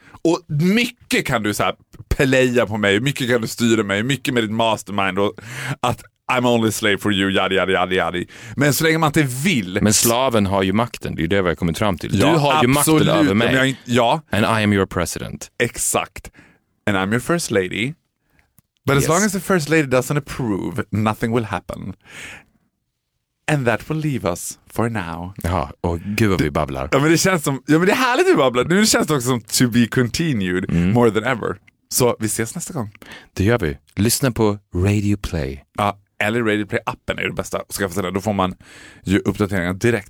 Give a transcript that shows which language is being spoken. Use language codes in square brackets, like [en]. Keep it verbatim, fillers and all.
[sv] Och mycket kan du så här playa på mig, mycket kan du styra mig, mycket med ditt mastermind och att [en] I'm only slave for you, [sv] yadi, yadi, yadi, yadi. Men så länge man inte vill... Men slaven har ju makten, det är ju det vi har kommit fram till. Du ja, har absolut ju makten över mig. Jag, ja. [en] And I am your president. [sv] Exakt. [en] And I'm your first lady. But yes, as long as the first lady doesn't approve, nothing will happen. And that will leave us for now. [sv] Ja, och gud vad vi babblar. Ja, men det känns som... Ja, men det är härligt vi babblar. Nu känns det också som [en] to be continued [sv] mm. [en] more than ever. [sv] Så vi ses nästa gång. Det gör vi. Lyssna på Radio Play. Ja. Eller Radio Play-appen är det bästa att skaffa sig där. Då får man ju uppdateringar direkt.